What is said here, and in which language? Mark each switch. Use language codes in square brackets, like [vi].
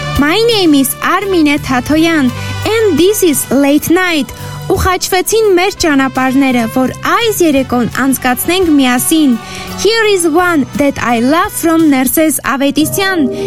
[en] My name is Armine Tatoyan and this is Late Night. [hy] Ուղաչվեցին մեր ճանապարները, որ այս երեկոն անցկացնենք միասին. [en] Here is one that I love from Nurses Avetisyan.